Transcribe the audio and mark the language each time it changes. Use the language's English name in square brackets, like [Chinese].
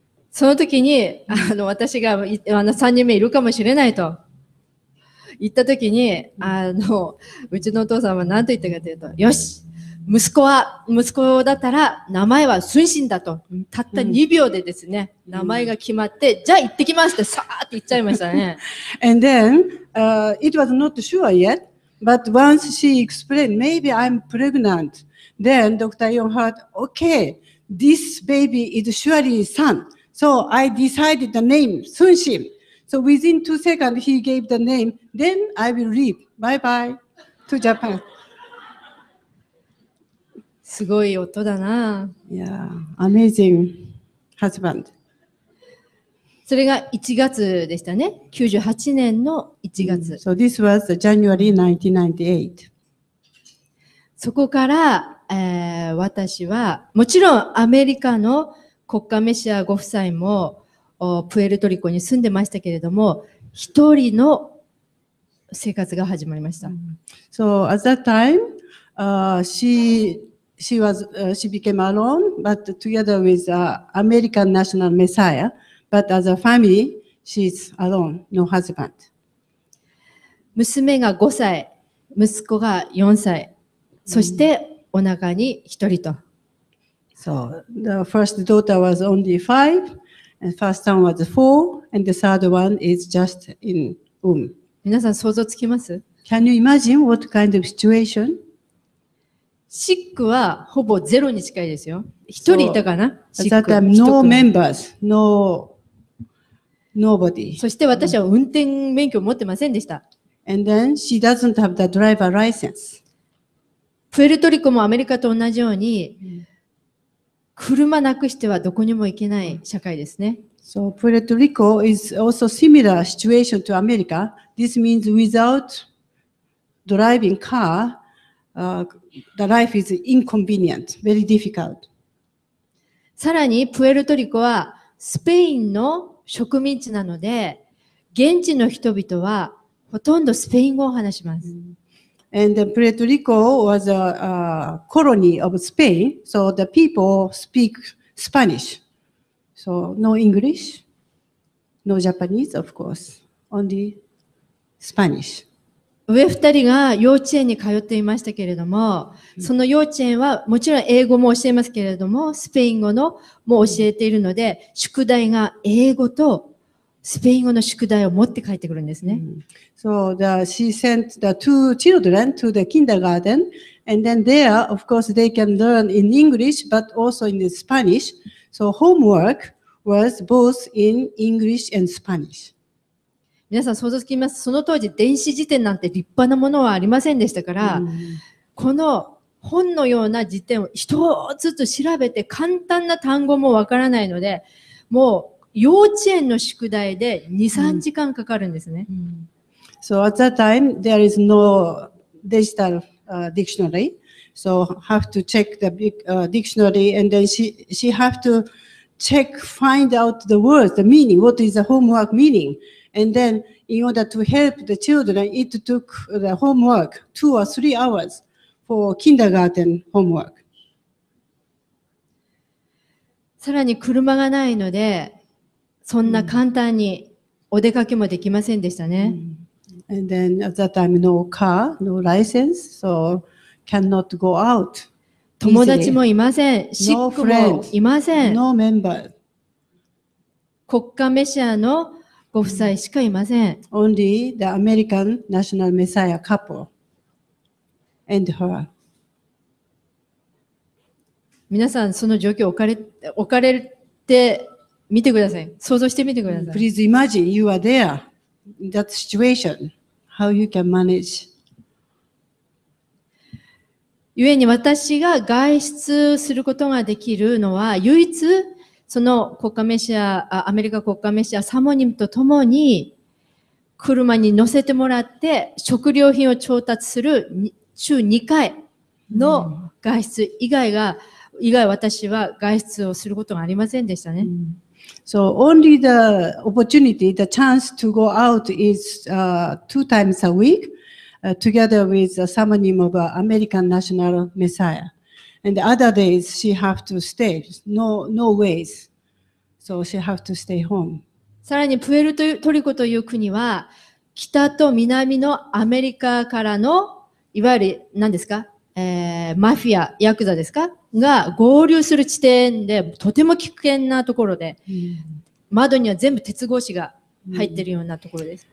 [Japanese] その時に私が3人目いるかもしれないと行った時に、うちのお父さんは何と言ったかというと、よし、息子は、息子だったら名前は孫心だと、たった2秒でですね、名前が決まって、じゃあ行ってきますってさーって言っちゃいましたね。 [English] And then, it was not sure yet, but once she explained, maybe I'm pregnant, then Dr. Yon heard, okay, this baby is surely son. So I decided the name, 孫心。So within 2 seconds, he gave the name. Then I will leave. Bye bye to Japan. [Japanese] すごい音だな。 [English] Yeah, amazing husband. [Japanese] それが1月でしたね。98年の1月。Mm-hmm. [English] So this was January 1998. [Japanese] そこから、私は、もちろんアメリカの国家メシアご夫妻もプエルトリコに住んでましたけれども、一人の生活が始まりました。 [English] So at that time, she became alone, but together with American national messiah, but as a family, she's alone, no husband. [Japanese] 娘が5歳、息子が4歳、そしてお腹に一人と。 [English] So the first daughter was only 5. And first one was 4, and the third one is just in womb. [Japanese] 皆さん想像つきます? [English] Can you imagine what kind of situation? [Japanese] Sick はほぼゼロに近いですよ。一人いたかな? [English] So, at that time, no members, no nobody. [Japanese] そして私は運転免許を持ってませんでした。 [English] And then she doesn't have the driver license. [Japanese] プエルトリコもアメリカと同じように、車なくしてはどこにも行けない社会ですね。 [English] So Puerto Rico is also similar situation to America. This means without driving car, the life is inconvenient, very difficult. [Japanese] さらにプエルトリコはスペインの植民地なので、現地の人々はほとんどスペイン語を話します。 [English] And Puerto Rico was a colony of Spain, so the people speak Spanish. So no English, no Japanese, of course, only Spanish. [Japanese] 上二人が幼稚園に通っていましたけれども、その幼稚園はもちろん英語も教えますけれども、スペイン語のも教えているので、宿題が英語とスペイン語の宿題を持って帰ってくるんですね。 [English] So she sent the two children to the kindergarten, and then there, of course, they can learn in English, but also in Spanish. So homework was both in English and Spanish. [Japanese] 皆さん想像つきます。その当時、電子辞典なんて立派なものはありませんでしたから、この本のような辞典を一つずつ調べて、簡単な単語もわからないので、もう幼稚園の宿題で2、3時間かかるんですね。 [English] So at that time, there is no digital dictionary. So have to check the big dictionary and then she have to check, find out the words, the meaning, what is the homework meaning. And then in order to help the children, it took the homework 2 or 3 hours for kindergarten homework. [Japanese] さらに車がないので、そんな簡単にお出かけもできませんでしたね。 [English] And then at that time, no car, no license, so cannot go out. [Japanese] 友達もいません。シックもいません。 [English] No member. [Japanese] 国家メシアのご夫妻しかいません。 [English] Only the American National Messiah couple and her. [Japanese] 皆さん、その状況置かれて見てください。想像してみてください。 [English] Please imagine you are there in that situation. How you can manage. [Japanese] 故に私が外出することができるのは唯一その国家メシア、アメリカ国家メシアサモニムと共に車に乗せてもらって食料品を調達する週2回の外出以外私は外出をすることがありませんでしたね。 [English] So only the opportunity, the chance to go out is two times a week, together with the summoning of American National Messiah. And the other days, she have to stay. No ways. So she have to stay home. [Japanese] さらにプエルトリコという国は北と南のアメリカからのいわゆる何ですか、マフィア、ヤクザですかが合流する地点で、とても危険なところで、窓には全部鉄格子が入ってるようなところです。